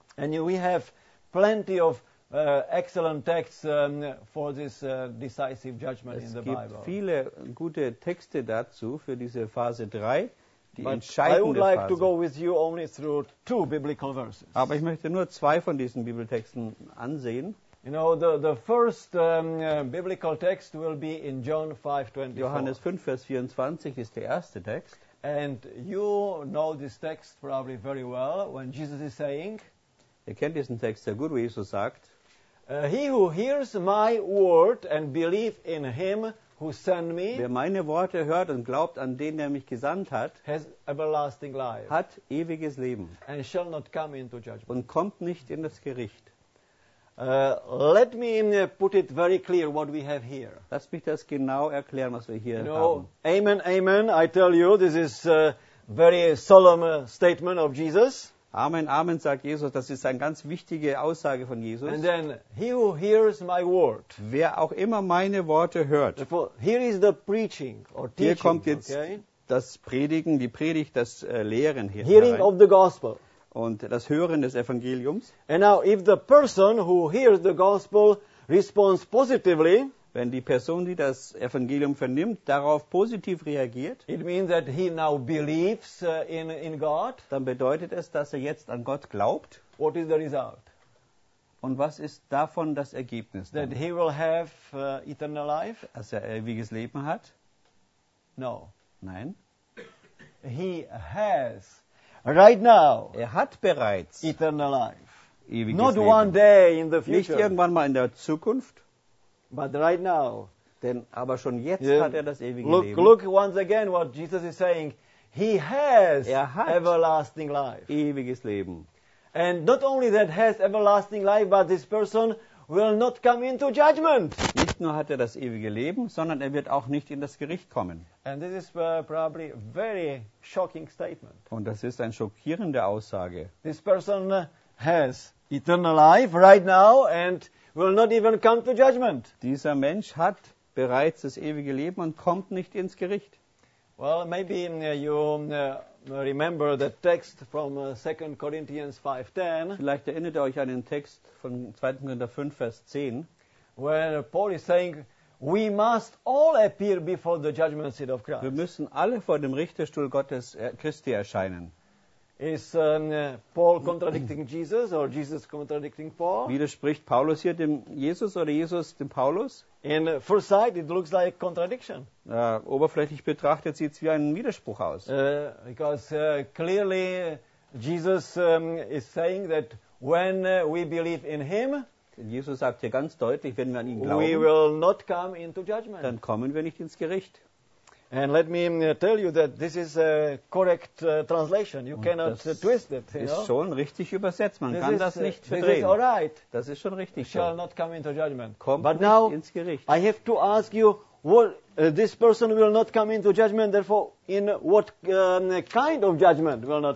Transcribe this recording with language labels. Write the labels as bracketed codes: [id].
[en] And we have plenty of excellent texts for this decisive judgment [de] es [en] in the Bible. [de] Es gibt viele gute Texte dazu für diese Phase 3, die [en] But [de] entscheidende [en] I would like [de] Phase. [en] To go with you only through two biblical verses. [de] Aber ich möchte nur zwei von diesen Bibeltexten ansehen. [en] You know, the first biblical text will be in John 5:24. [de] Johannes 5, Vers 24 ist der erste Text. [en] And you know this text probably very well, when Jesus is saying, [de] ihr kennt diesen Text sehr gut, wie Jesus sagt, [en] he who hears my word and believe in him who sent me, [de] wer meine Worte hört und glaubt an den, der mich gesandt hat, [en] has everlasting life, [de] hat ewiges Leben, [en] and shall not come into judgment, [de] und kommt nicht in das Gericht. [en] Let me put it very clear what we have here. [de] Lass mich das genau erklären, was wir hier [en] you know, [de] haben. [en] Amen, amen, I tell you, this is very solemn statement of Jesus. [de] Amen, amen, sagt Jesus. Das ist eine ganz wichtige Aussage von Jesus. [en] And then, he who hears my word. [de] Wer auch immer meine Worte hört. [en] Here is the preaching or teaching. [de] Hier kommt jetzt das Predigen, die Predigt, das Lehren hier. [en] Hearing of the gospel. [de] Und das Hören des Evangeliums. [en] And now, if the person who hears the gospel responds positively. [de] Wenn die Person, die das Evangelium vernimmt, darauf positiv reagiert, [en] it means that he now believes in God. [de] Dann bedeutet es, dass er jetzt an Gott glaubt. [en] What is the result? [de] Und was ist davon das Ergebnis? [en] That He will have eternal life. [de] Dass er ewiges Leben hat? [en] No. [de] Nein. [en] He has right now. [de] Er hat bereits [en] eternal life. [de] Ewiges [en] Not [de] Leben. [en] One day in the future. [de] Nicht irgendwann mal in der Zukunft. [en] But right now, [de] denn aber schon jetzt yeah, hat er das ewige [en] look, [de] Leben. [en] Look once again what Jesus is saying. He has everlasting life. [de] Ewiges Leben. [en] And not only that has everlasting life, but this person will not come into judgment. [de] Nicht nur hat er das ewige Leben, sondern er wird auch nicht in das Gericht kommen. [en] And this is probably a very shocking statement. [de] Und das ist eine schockierende Aussage. [en] This person has eternal life right now and will not even come to judgment. [de] Dieser Mensch hat bereits das ewige Leben und kommt nicht ins Gericht. [en] Well, maybe you remember the text from 2 Corinthians 5:10. [de] Vielleicht erinnert ihr euch an den Text von 2. Korinther 5, Vers 10. [en] Where Paul is saying, we must all appear before the judgment seat of Christ. [de] Wir müssen alle vor dem Richterstuhl Gottes Christi erscheinen. [en] Is Paul contradicting Jesus or Jesus contradicting Paul? [de] Widerspricht Paulus hier dem Jesus oder Jesus dem Paulus? [en] In first sight it looks like contradiction. [de] Oberflächlich betrachtet sieht es wie ein Widerspruch aus. [en] Because clearly Jesus is saying that when we believe in him, [de] Jesus sagt hier ganz deutlich, wenn wir an ihn glauben, [en] we will not come into judgment. [de] Dann kommen wir nicht ins Gericht. [en] And let me tell you that this is a correct translation. You cannot twist it. [de] Ist schon richtig übersetzt. Man kann das nicht verdrehen. [en] This is all right. [de] Das ist schon richtig. [en] Shall not come into judgment. [de] Kommt [en] but [de] nicht [en] now, I have to ask you, what this person will not come into judgment, therefore, in what kind of judgment will not